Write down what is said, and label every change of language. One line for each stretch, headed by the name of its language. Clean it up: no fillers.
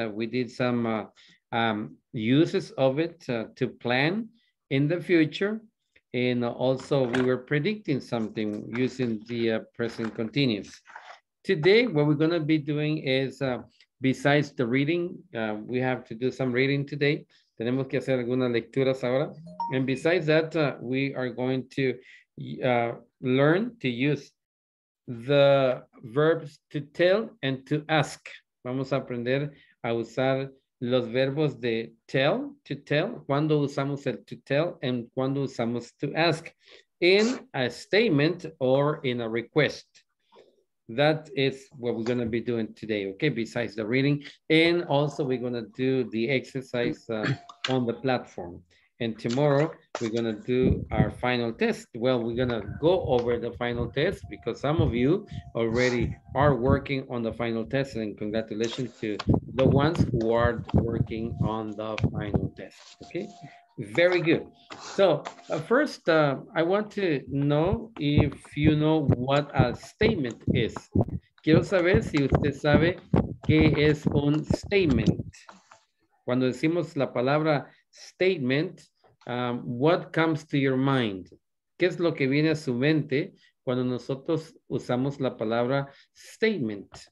English: We did some uses of it to plan in the future. And also we were predicting something using the present continuous. Today, what we're going to be doing is besides the reading, we have to do some reading today.
Spanish: Tenemos que hacer algunas lecturas ahora.
English: And besides that, we are going to learn to use the verbs to tell and to ask.
Spanish: Vamos a aprender a usar los verbos de tell, to tell, cuando usamos el to tell and cuando usamos to ask
English: in a statement or in a request. That is what we're going to be doing today, okay, besides the reading. And also we're going to do the exercise on the platform. And tomorrow we're going to do our final test. Well, we're going to go over the final test because some of you already are working on the final test. And congratulations to the ones who are working on the final test, okay? Very good. So first, I want to know if you know what a statement is.
Spanish: Quiero saber si usted sabe qué es un statement. Cuando decimos la palabra statement,
English: what comes to your mind?
Spanish: ¿Qué es lo que viene a su mente cuando nosotros usamos la palabra statement?